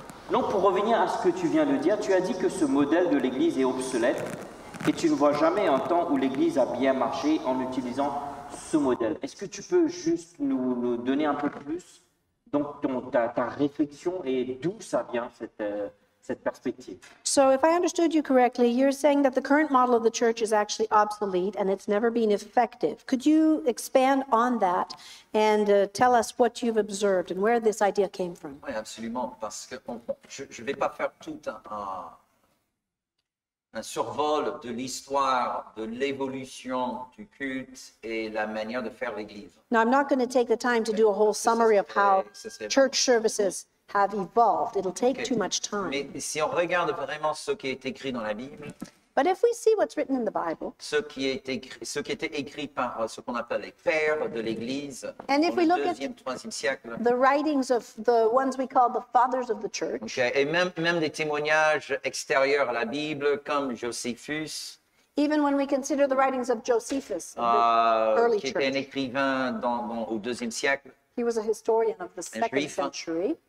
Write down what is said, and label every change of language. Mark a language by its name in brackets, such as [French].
[French] Donc, pour revenir à ce que tu viens de dire, tu as dit que ce modèle de l'Église est obsolète et tu ne vois jamais un temps où l'Église a bien marché en utilisant ce modèle. Est-ce que tu peux juste nous donner un peu plus donc ta réflexion et d'où ça vient cette perspective? [English] So if I understood you correctly, you're saying that the current model of the church is actually obsolete and it's never been effective. Could you expand on that and tell us what you've observed and where this idea came from? [French] Oui, absolument, parce que je ne vais pas faire tout un un survol de l'histoire, de l'évolution du culte et la manière de faire l'Église. [English] Now, I'm not going to take the time to do a whole summary of how church services have evolved. It'll take too much time. [French] Mais si on regarde vraiment ce qui est écrit dans la Bible, [English] but if we see what's written in the Bible, [French] ce qui était écrit par ce qu'on appelle les pères de l'Église, [English] and if we look at the writings of the ones we call the fathers of the church, [French] okay, et même des témoignages extérieurs à la Bible comme Josephus, [English] even when we consider the writings of Josephus, the early church, [French] qui était un écrivain au deuxième siècle, [English] he was a historian of the second century.